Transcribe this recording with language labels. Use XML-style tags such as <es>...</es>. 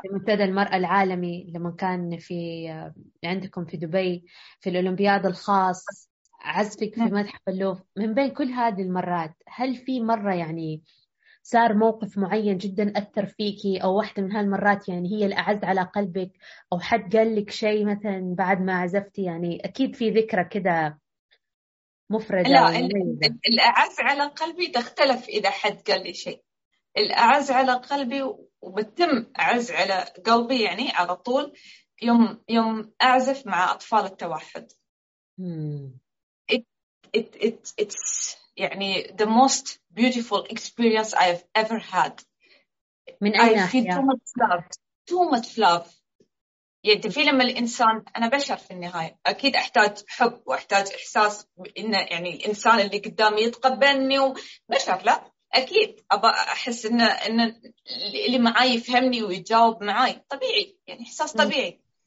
<ar>في منتدى المرأة العالمي لما كان في عندكم في دبي، في الأولمبياد الخاص، عزفك في متحف اللوف، من بين كل هذه المرات هل في مرة يعني صار موقف معين جدا أثر فيكي، أو واحدة من هالمرات يعني هي الأعز على قلبك، أو حد قال لك شيء مثلا بعد ما عزفتي؟ يعني أكيد في ذكرى كده مفردة. لا ومميزة. الأعز على قلبي تختلف إذا حد قال لي شيء، الأعز على قلبي وبتم أعز على قلبي يعني على طول يوم أعزف مع أطفال التوحد.</ar> <en>It's يعني the most beautiful experience I have ever had.</en> <ar>من أي</ar> <en>I</en> <ar>ناحية؟</ar> <en>feel too much love.</en> <ar>يعني في لما الإنسان، أنا بشر في النهاية، أكيد أحتاج حب وأحتاج إحساس إن يعني الإنسان اللي قدامي يتقبلني، وبشر لا أكيد أبا أحس إن اللي معاي يفهمني ويجاوب معاي، طبيعي يعني إحساس طبيعي.</ar>